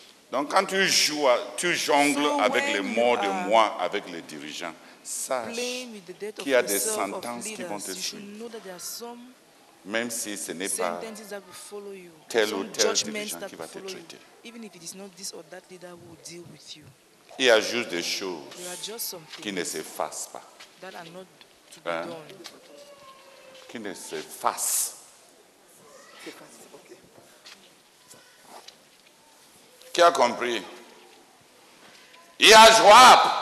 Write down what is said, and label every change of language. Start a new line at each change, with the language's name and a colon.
French: Donc quand tu joues, tu jongles so avec les mots de moi, avec les dirigeants, sache qu'il y a des sentences qui vont te suivre. Même si ce n'est pas tel ou tel dirigeant qui va te traiter.
English: Even if it is not this or that leader who will deal with you.
French: Il y a juste des choses qui ne s'effacent pas.
English: That are not to be done.
French: Qui ne s'effacent. Qui a compris? Il y a Joab.